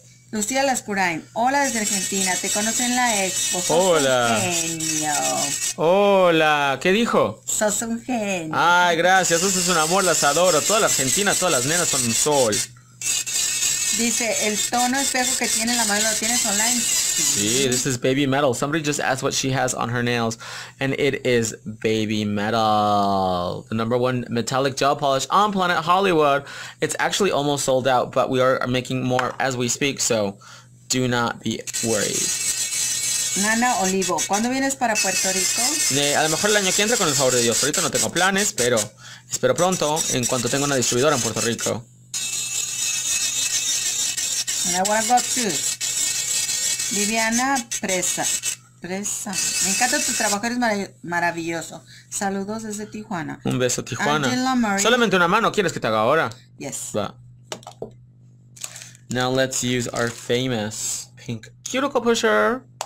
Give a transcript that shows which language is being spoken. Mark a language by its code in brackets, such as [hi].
[es] Lucía Lascurain, hola desde Argentina, te conocen en la Expo, sos hola. Un genio. Hola, ¿qué dijo? Sos un genio. Ay, gracias, sos un amor, las adoro, toda la Argentina, todas las nenas son un sol. Dice, el tono espejo que tiene la mano, ¿lo tienes online? [en] Sí, this is baby metal. Somebody just asked what she has on her nails, and it is baby metal. The number one metallic gel polish on planet Hollywood. It's actually almost sold out, but we are making more as we speak, so do not be worried. [es] Nana Olivo, ¿cuándo vienes para Puerto Rico? A lo mejor el año que entra, con el favor de Dios. Ahorita no tengo planes, pero espero pronto, en cuanto tenga una distribuidora en Puerto Rico. [en] And I want to go to Viviana Presa. Presa. [es] Me encanta tu trabajo, eres maravilloso. Saludos desde Tijuana. Un beso, Tijuana. Angela Marie. Solamente una mano, ¿quieres que te haga ahora? [en] Yes. [es] Va. [en] Now let's use our famous pink cuticle pusher.